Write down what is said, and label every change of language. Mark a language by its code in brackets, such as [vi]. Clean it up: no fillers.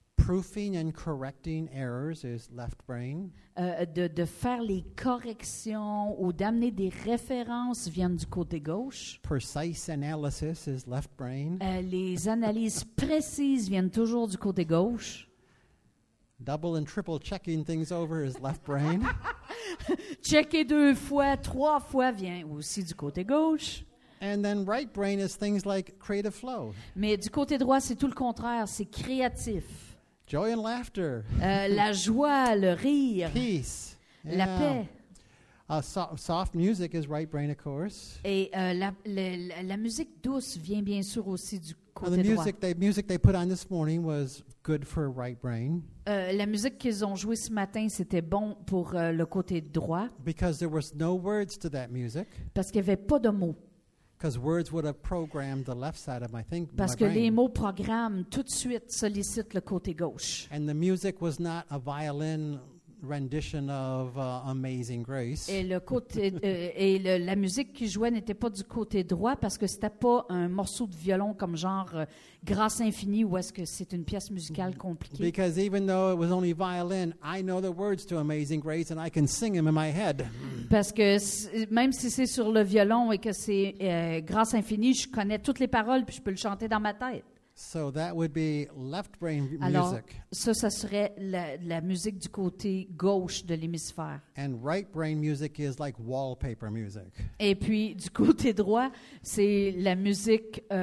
[en] Proofing and correcting errors is left brain. [fr] De faire les corrections ou d'amener des références viennent du côté gauche. [en] Precise analysis is left brain. [fr] Les analyses précises viennent toujours du côté gauche. [en] Double and triple checking things over is left brain. [fr] Checker deux fois, trois fois vient aussi du côté gauche. [en] And then right brain is things like creative flow. [fr] Mais du côté droit, c'est tout le contraire, c'est créatif. [en] Joy and laughter. [fr] La joie, le rire. [en] Peace. [fr] La yeah. paix. [en] Soft music is right brain, of course. [fr] Et la musique douce vient bien sûr aussi du côté droit. [en] The music they put on this morning was good for right brain. [fr] La musique qu'ils ont jouée ce matin, c'était bon pour le côté droit. [en] Because there was no words to that music. [fr] Parce qu'il y avait pas de mots. [en] Because words would have programmed the left side of my thinking. [fr] Parce que les mots programment tout de suite, sollicitent le côté gauche. [en] And the music was not a violin rendition of Amazing Grace. [fr] Et le côté la musique qui jouait n'était pas du côté droit parce que c'était pas un morceau de violon comme genre Grâce Infinie ou est-ce que c'est une pièce musicale compliquée. [en] Because even though it was only violin, I know the words to Amazing Grace and I can sing them in my head. [fr] Parce que même si c'est sur le violon et que c'est Grâce Infinie, je connais toutes les paroles puis je peux le chanter dans ma tête. [en] So that would be left brain [fr] Alors, [en] music. [fr] Ça serait la musique du côté gauche de l'hémisphère. [en] And right brain music is like wallpaper music. [fr] Et puis du côté droit, c'est la musique.